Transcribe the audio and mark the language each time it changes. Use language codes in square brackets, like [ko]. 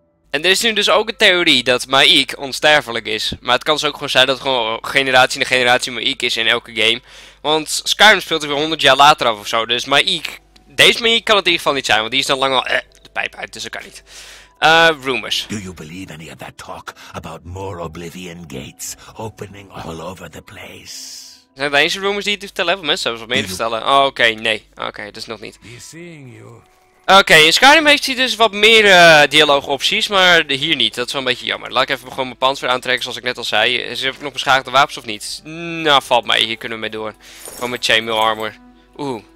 [nl] En er is nu dus ook een theorie dat Maïk onsterfelijk is. Maar het kan dus ook gewoon zijn dat het gewoon generatie na generatie Maïk is in elke game. Want Skyrim speelt er weer 100 jaar later af of zo. Dus Maïk... Deze manier kan het in ieder geval niet zijn, want die is dan lang al de pijp uit, dus dat kan niet. [en] Rumors. Do you believe any of that talk about more Oblivion gates opening all over the place? [nl] Zijn er deze rumors die je te vertellen hebt? Mensen hebben ze wat meer te vertellen. Oké, nee. Oké, dat is nog niet. [en] He's seeing you. [nl] Oké, in Skyrim heeft hij dus wat meer dialoogopties, maar hier niet. Dat is wel een beetje jammer. Laat ik even gewoon mijn pants weer aantrekken, zoals ik net al zei. Is er nog beschadigde wapens of niet? Nou, valt mee. Hier kunnen we mee door. Gewoon met chainmail armor. Oeh.